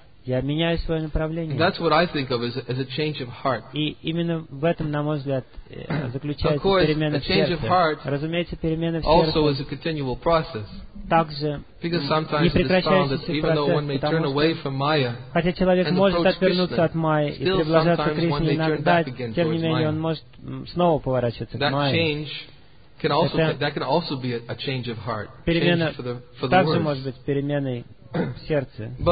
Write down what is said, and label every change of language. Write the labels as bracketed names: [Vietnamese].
[Russian] Я меняю свое направление. И именно в этом, на мой взгляд, заключается перемена в сердце. Разумеется, перемена в сердце также непрекращающийся процесс, потому что хотя человек может отвернуться от Майи и приближаться к Кришне иногда, тем не менее он может снова поворачиваться к Майе. [English] That can also be a change of heart. [Russian] Перемена также может быть переменой в сердце.